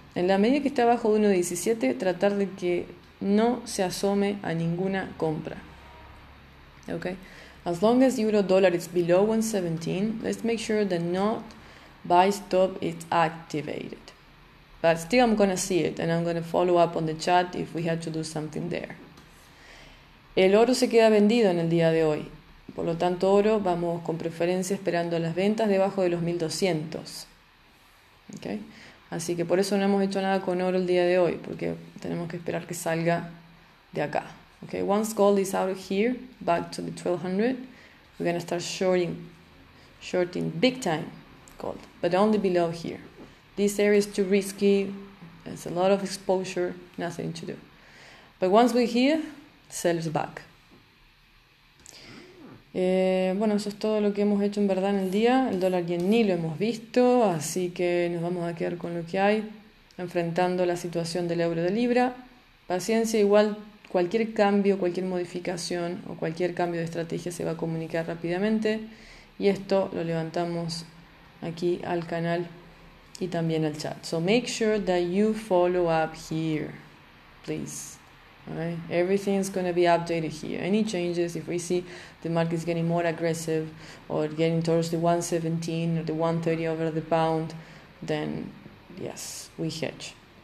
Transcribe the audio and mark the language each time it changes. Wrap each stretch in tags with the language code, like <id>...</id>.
<es>En la medida que está abajo de 1,17, tratar de que no se asome a ninguna compra. ¿Okay?</es> <en>As long as euro dollar is below 1,17, let's make sure that not buy stop it's activated. But still, I'm gonna see it and I'm gonna follow up on the chat if we have to do something there.</en> <es>El oro se queda vendido en el día de hoy. Por lo tanto, oro, vamos con preferencia esperando las ventas debajo de los 1200. ¿Okay? Así que por eso no hemos hecho nada con oro el día de hoy, porque tenemos que esperar que salga de acá. ¿Okay?</es> <en>Once gold is out of here, back to the 1200, we're going to start shorting big time. Gold, but only below here. This area is too risky. There's a lot of exposure, nothing to do. But once we're here, sell's back.</en> <es>Bueno, eso es todo lo que hemos hecho en verdad en el día. El dólar yen ni lo hemos visto, así que nos vamos a quedar con lo que hay, enfrentando la situación del euro de libra. Paciencia, igual cualquier cambio, cualquier modificación o cualquier cambio de estrategia se va a comunicar rápidamente. Y esto lo levantamos aquí al canal y también al chat.</es> <en>So make sure that you follow up here, please. All right? Everything is going to be updated here. Any changes, if we see the market is getting more aggressive or getting towards the 1.17 or the 1.30 over the pound, then yes, we hedge.</en>